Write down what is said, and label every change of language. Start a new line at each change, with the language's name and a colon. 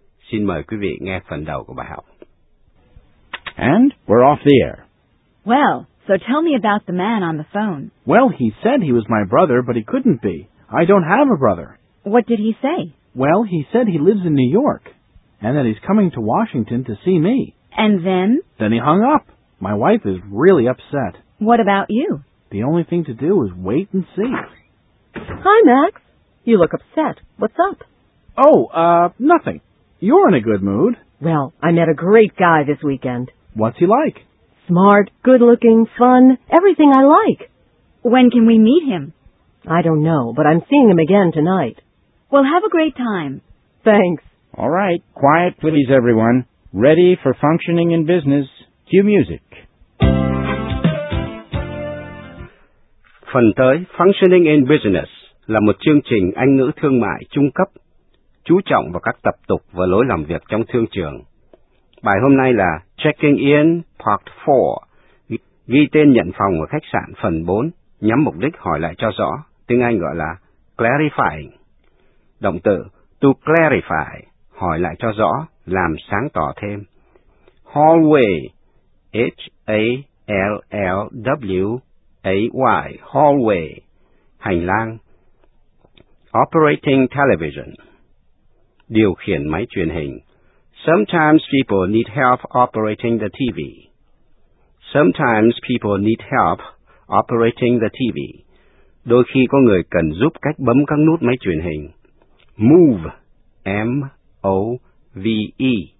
Vietnamese: Xin mời quý vị nghe phần đầu của bài học.
English: And we're off the air. Well, so tell me about the man on the phone. Well, he said he was my brother, but he couldn't be. I don't have a brother. What did he say? Well, he said he lives in New York, and that he's coming to Washington to see me. And then? Then he hung up. My wife is really upset. What about you? The only thing to do is wait and see. Hi, Max. You look upset. What's up? Oh, nothing. You're in a good mood. Well, I met a great guy this weekend. What's he like? Smart, good-looking, fun, everything I like. When can we meet him? I don't know, but I'm seeing him again tonight. Well, have a great time. Thanks. All right, quiet please, everyone. Ready for functioning in business. Cue music.
Vietnamese: Phần tới, Functioning in Business là một chương trình Anh ngữ thương mại trung cấp, chú trọng vào các tập tục và lối làm việc trong thương trường. Bài hôm nay là Checking In Part 4, ghi tên nhận phòng ở khách sạn phần 4, nhắm mục đích hỏi lại cho rõ, tiếng Anh gọi là Clarifying. Động từ to clarify, hỏi lại cho rõ, làm sáng tỏ thêm.
English: Hallway, H-A-L-L-W-A-Y, hallway,
Vietnamese: hành lang.
English: Operating television,
Vietnamese: điều khiển máy truyền hình.
English: Sometimes people need help operating the TV. Sometimes people need help operating the TV.
Vietnamese: Đôi khi có người cần giúp cách bấm các nút máy truyền hình.
English: Move, M-O-V-E.